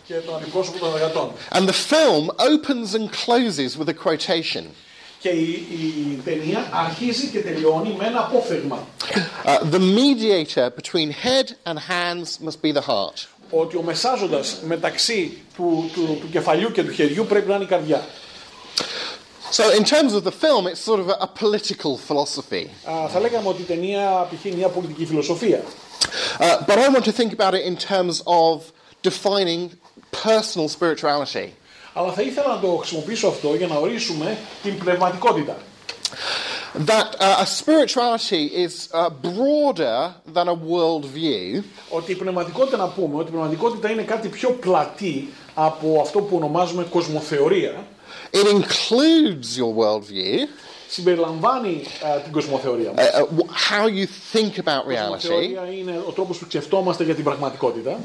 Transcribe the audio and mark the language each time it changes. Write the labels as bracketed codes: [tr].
[en] And the film opens and closes with a quotation. The mediator between head and hands must be the heart. [el] Ότι ο μεσάζοντας μεταξύ του κεφαλιού και του χεριού πρέπει να είναι η καρδιά. [en] So in terms of the film, it's sort of a political philosophy. [el] Θα λέγαμε ότι η ταινία απηχεί μια πολιτική φιλοσοφία. [en] But I want to think about it in terms of defining personal spirituality. [el] Αλλά θα ήθελα να το χρησιμοποιήσω αυτό για να ορίσουμε την πνευματικότητα. [en] That a spirituality is broader than a world view. [el] Ότι η πνευματικότητα, να πούμε, ότι η πνευματικότητα είναι κάτι πιο πλατή από αυτό που ονομάζουμε κοσμοθεωρία. [en] It includes your world view. [el] Συμπεριλαμβάνει την κοσμοθεωρία μας. [en] How you think about reality. [el] Κοσμοθεωρία είναι ο τρόπος που σκεφτόμαστε για την πραγματικότητα.